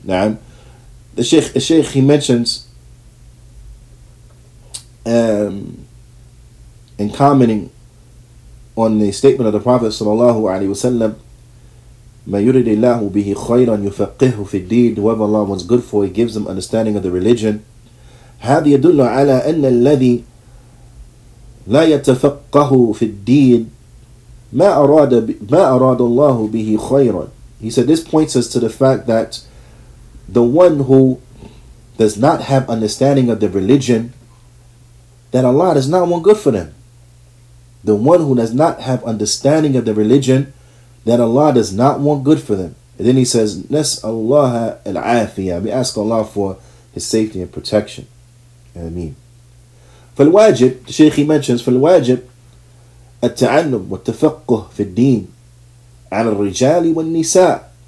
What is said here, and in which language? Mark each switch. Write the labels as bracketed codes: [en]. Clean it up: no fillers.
[en] Now, the Sheikh, he mentions in commenting on the statement of the Prophet sallallahu alaihi wasallam, [ar] "Ma yuridi Allahu bihi khayran yufaqihu fi ad-deen," [en] whoever Allah wants good for, He gives them understanding of the religion. [ar] هذا يدل على أن الذي لا يتفقه في الدين ما أراد الله به خيرا. [en] He said, this points us to the fact that the one who does not have understanding of the religion, that Allah does not want good for them. The one who does not have understanding of the religion, that Allah does not want good for them. And then he says, [ar] نسأل الله العافية. [en] We ask Allah for His safety and protection. Ameen. [ar] فالواجب, [en] the Shaykh he mentions, [ar] فالواجب التعلم والتفقه في الدين على الرجال والنساء.